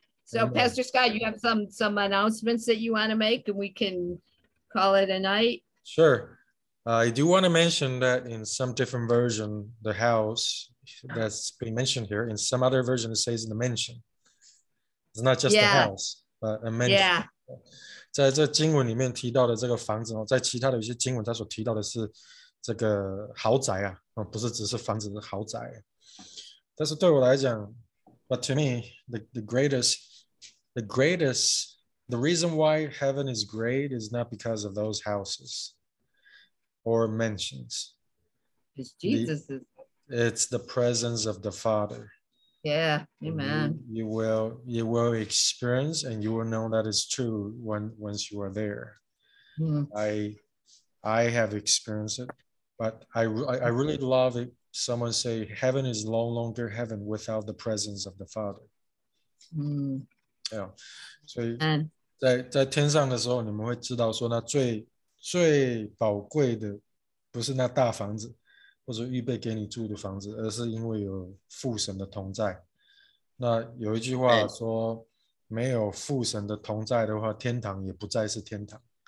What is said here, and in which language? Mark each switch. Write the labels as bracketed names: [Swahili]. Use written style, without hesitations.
[English] So, Pastor Scott, you have some announcements that you want to make, and we can call it a night? Sure. I do want to mention that in some different version, the house that's been mentioned here, in some other version, it says the mansion. It's not just the house, but a mansion. Yeah. [Chinese] 在这经文里面提到的这个房子，在其他的一些经文，他所提到的是这个豪宅啊，不是只是房子，是豪宅。但是对我来讲 [English] ，but to me, the greatest, the reason why heaven is great is not because of those houses or mansions. It's Jesus. It's the presence of the Father. Yeah, amen. You will experience and you will know that it's true once you are there. Mm. I have experienced it, but I really love it. Someone say heaven is no longer heaven without the presence of the Father. Mm. Yeah. So and [Chinese] 在天上的时候，你们会知道说，那最最宝贵的不是那大房子，或者预备给你住的房子，而是因为有父神的同在。那有一句话说，没有父神的同在的话，天堂也不再是天堂。